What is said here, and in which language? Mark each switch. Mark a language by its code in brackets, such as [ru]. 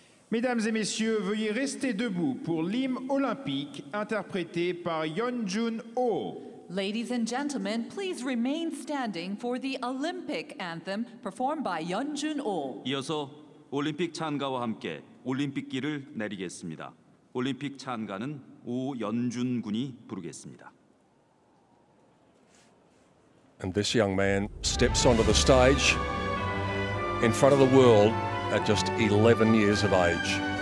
[fr] Mesdames et messieurs, veuillez rester debout pour l'hymne olympique interprété par Yeonjun Oh. [en] Ladies and gentlemen, please remain standing for the Olympic anthem performed by Yeonjun Oh. [ko] 이어서 올림픽 찬가와 함께 올림픽 길을 내리겠습니다. 올림픽 찬가는 오연준 군이 부르겠습니다. [en] And this young man steps onto the stage in front of the world at just 11 years of age.